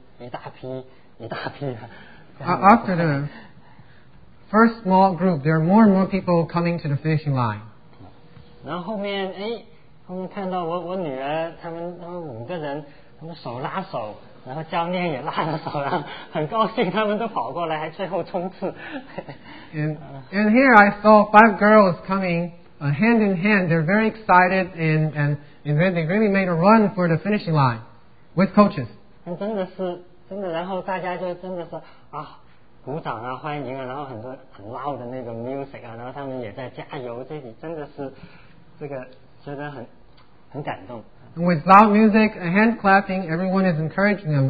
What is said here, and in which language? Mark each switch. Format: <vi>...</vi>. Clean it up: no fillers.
<zh>这第一个跑来之后，后面就是一小批，然后后面就是一大批，一大批。</zh> <en>After the first small group, there are more and more people coming to the finishing line.</en> <zh>然后后面，哎，后面看到我女儿，他们五个人，他们手拉手，然后教练也拉着手，然后很高兴，他们都跑过来，还最后冲刺。</zh> <en>And here I saw five girls coming hand in hand. They're very excited and they really made a run for the finishing line with coaches.</en> <zh>真的是，然后大家就真的是啊，鼓掌啊，欢迎啊，然后很多很loud的那个 music 啊，然后他们也在加油，这里真的是这个觉得很感动。</zh> <en>And with loud music, a hand clapping, everyone is encouraging them.</en>